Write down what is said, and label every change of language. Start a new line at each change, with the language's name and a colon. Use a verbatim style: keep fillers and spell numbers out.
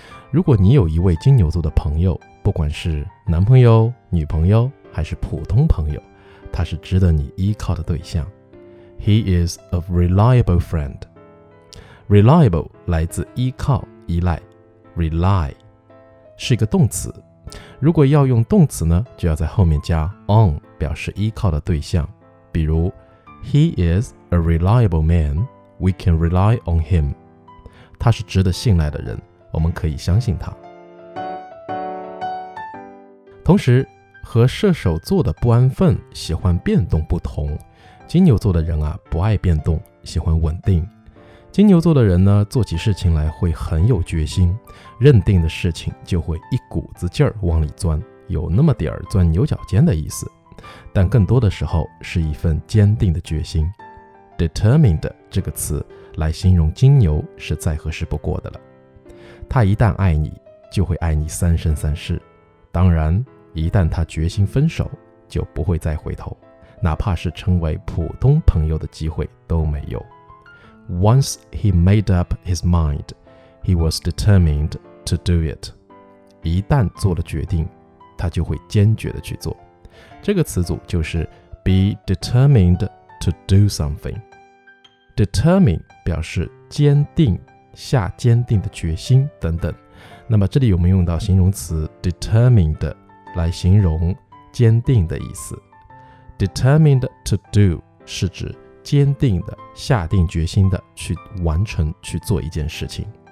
Chinese: 如果你有一位金牛座的朋友，不管是男朋友、女朋友还是普通朋友，他是值得你依靠的对象。
English: He is a reliable friend. Reliable
Chinese: 来自依靠、依赖。 Rely 是一个动词，如果要用动词呢，就要在后面加 on， 表示依靠的对象。比如
English: He is a reliable man. We can rely on him.
Chinese: 他是值得信赖的人，我们可以相信他。同时，和射手座的不安分、喜欢变动不同，金牛座的人啊不爱变动，喜欢稳定。金牛座的人呢，做起事情来会很有决心，认定的事情就会一股子劲儿往里钻，有那么点儿钻牛角尖的意思，但更多的时候是一份坚定的决心。 Determined 这个词来形容金牛是再合适不过的了。他一旦爱你，就会爱你三生三世，当然一旦他决心分手，就不会再回头，哪怕是成为普通朋友的机会都没有。
English: Once he made up his mind, he was determined to do it.
Chinese: 一旦做了决定，他就会坚决地去做。这个词组就是
English: be determined to do something.
Chinese: Determine 表示坚定，下坚定的决心等等。那么这里我们用到形容词 determined 来形容坚定的意思。
English: Determined to do
Chinese: 是指坚定的、下定决心的去完成、去做一件事情。